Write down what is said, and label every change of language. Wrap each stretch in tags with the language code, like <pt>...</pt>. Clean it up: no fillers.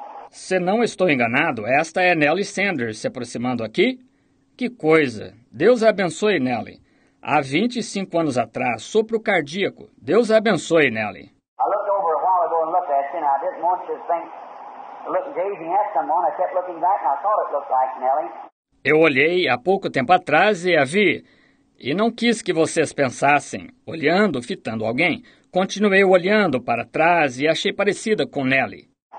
<pt>Se não estou enganado, esta é Nellie Sanders se aproximando aqui. Que coisa! Deus abençoe, Nellie. Há 25 anos atrás, sopro cardíaco. Deus abençoe, Nellie.</pt> <en>I looked over a while ago and looked at you, and I didn't want you to think looking gazing at someone. I kept looking back and I thought it looked like Nellie.</en> <pt>Eu olhei há pouco tempo atrás e a vi. E não quis que vocês pensassem, olhando, fitando alguém. Continuei olhando para trás e achei parecida com Nellie.</pt>